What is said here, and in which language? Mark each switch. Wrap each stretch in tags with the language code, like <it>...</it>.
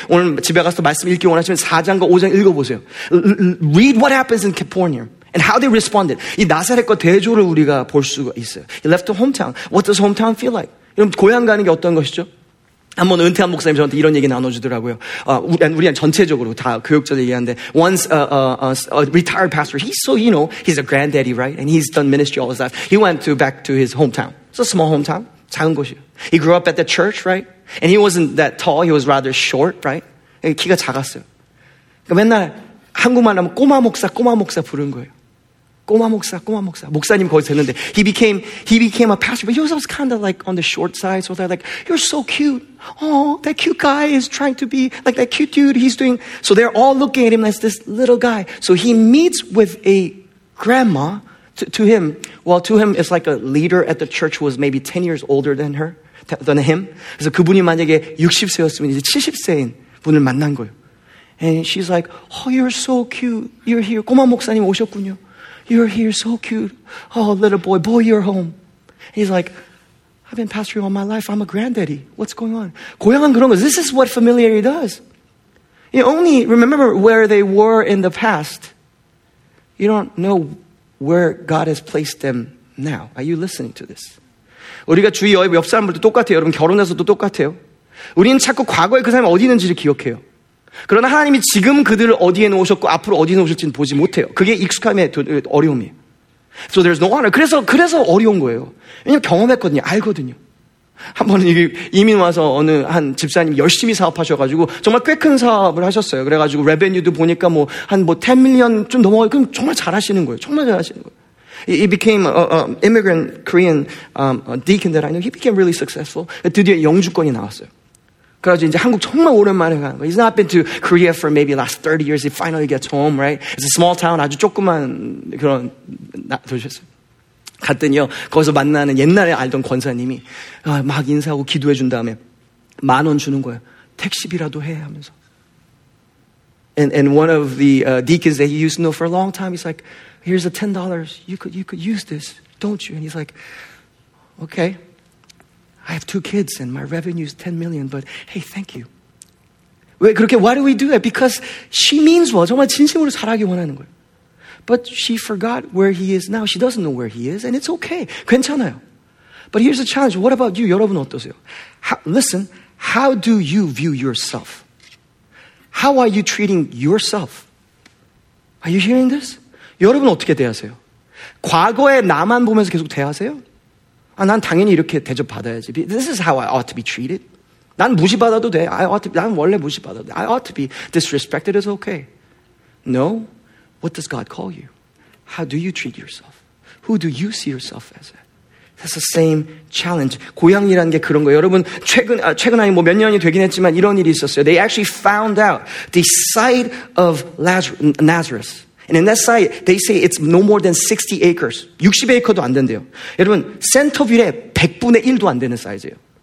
<ko>오늘 집에 가서 말씀 읽기 원하시면 4장과 5장 읽어보세요.</ko> <en>Read what happens in Capernaum and how they responded.</en> <ko>이 나사렛과 대조를 우리가 볼 수가 있어요.</ko> <en>He left the hometown. What does hometown feel like?</en> <ko>여러분 고향 가는 게 어떤 것이죠? 한번 은퇴한 목사님 저한테 이런 얘기 나눠주더라고요. 우리는 전체적으로 다 교육자들 얘기하는데</ko> <en>once a retired pastor, he's a granddaddy, right? And he's done ministry all his life. He went to back to his hometown. It's a small hometown.</en> <ko>작은 곳이요.</ko> <en>He grew up at the church, right? And he wasn't that tall. He was rather short, right?</en> <ko>키가 작았어요. 그러니까 맨날 한국말 하면 꼬마 목사 부른 거예요. 꼬마 목사. 목사님 거기서 했는데</ko> <en>he became a pastor, but he was always kind of like on the short side, so they're like, you're so cute. Oh, that cute guy is trying to be like that cute dude. He's doing, so they're all looking at him as this little guy. So he meets with a grandma to him it's like a leader at the church who was maybe 10 years older than her, than him.</en> <ko>그래서 그분이 만약에 60세였으면 이제 70세인 분을 만난 거예요.</ko> <en>And she's like, oh, you're so cute. You're here.</en> <ko>꼬마 목사님 오셨군요.</ko> <en>You're here, so cute. Oh, little boy, you're home. He's like, I've been pastoring all my life. I'm a granddaddy. What's going on?</en> <ko>고향은 그런 거.</ko> <en>This is what familiarity does. You only remember where they were in the past. You don't know where God has placed them now. Are you listening to this?</en> <ko>우리가 주위 옆 사람들도 똑같아요. 여러분 결혼해서도 똑같아요. 우리는 자꾸 과거에 그 사람이 어디 있는지를 기억해요. 그러나 하나님이 지금 그들을 어디에 놓으셨고 앞으로 어디에 놓으실지는 보지 못해요. 그게 익숙함의 어려움이에요.</ko> <en>So there's no honor.</en> <ko>그래서 어려운 거예요. 왜냐면 경험했거든요. 알거든요. 한 번은 이민 와서 어느 한 집사님 열심히 사업하셔가지고 정말 꽤 큰 사업을 하셨어요. 그래가지고 레베뉴도 보니까 뭐 한 뭐 10밀리언 좀 넘어가요. 그럼 정말 잘하시는 거예요. 정말 잘하시는 거예요.</ko> <en>He became an immigrant Korean deacon that I know. He became really successful.</en> <ko>드디어 영주권이 나왔어요. 그래서 이제 한국 정말 오랜만에 가는 거예요.</ko> <en>He's not been to Korea for maybe last 30 years. He finally gets home, right? It's a small town,</en> <ko>아주 조그만 그런 도시였어요. 갔더니요, 거기서 만나는 옛날에 알던 권사님이 막 인사하고 기도해 준 다음에 만 원 주는 거예요. 택시비라도 해 하면서.</ko> <en>And one of the deacons that he used to know for a long time, he's like, here's a $10. You could use this, don't you? And he's like, okay. I have two kids and my revenue is $10 million, but hey, thank you.</en> <ko>왜 그렇게,</ko> <en>why do we do that? Because she means well.</en> <ko>정말 진심으로 잘하기 원하는 거예요.</ko> <en>But she forgot where he is now. She doesn't know where he is, and it's okay.</en> <ko>괜찮아요.</ko> <en>But here's the challenge. What about you?</en> <ko>여러분 어떠세요?</ko> <en>Listen, how do you view yourself? How are you treating yourself? Are you hearing this?</en> <ko>여러분 어떻게 대하세요? 과거의 나만 보면서 계속 대하세요? 아, 난 당연히 이렇게 대접 받아야지.</ko> <en>This is how I ought to be treated.</en> <ko>난 무시받아도 돼.</ko> <en>I ought to be,</en> <ko>난 원래 무시받아도 돼.</ko> <en>I ought to be disrespected is okay. No. What does God call you? How do you treat yourself? Who do you see yourself as? That's the same challenge.</en> <ko>고양이라는 게 그런 거예요. 여러분, 최근 아니 뭐 몇 년이 되긴 했지만 이런 일이 있었어요.</ko> <en>They actually found out the site of Nazareth. And in that site, they say it's no more than 60 acres.</en> <ko>60에이커도 안 된대요. 여러분, 센터빌의 100분의 1도 안 되는 사이즈예요.</ko>